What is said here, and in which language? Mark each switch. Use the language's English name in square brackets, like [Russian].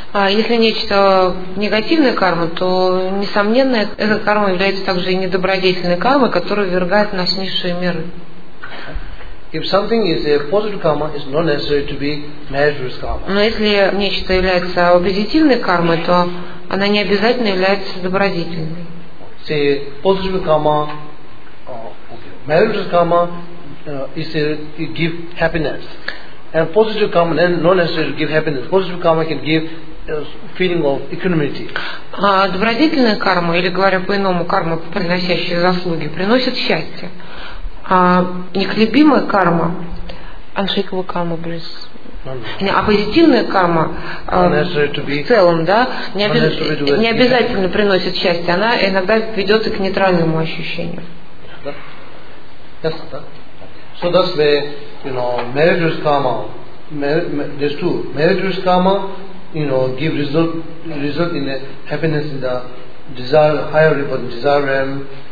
[Russian] Если нечто негативная карма, то несомненно эта карма является также и недобродетельной кармой, которая ввергает нас в низшие миры. [English] If something is a positive karma, it's not necessary to be meritorious karma. [Russian] Но если нечто является позитивной кармой, то она не обязательно является добродетельной. [English] See, positive karma, meritorious karma, is it give happiness. And positive karma, then not necessary to give happiness. Positive karma can give feeling of equanimity. [Russian] А добродетельная карма, или говоря по-иному, карма, приносящая заслуги, приносит счастье. А неколебимая карма, unshakable karma, а позитивная карма в целом, да, не обязательно приносит счастье, она иногда ведет и к нейтральному ощущению. [English] So that's the, you know, meritorious karma. There's two. Meritorious karma, you know, give result in the happiness in the desire, higher rebirth, desire realm.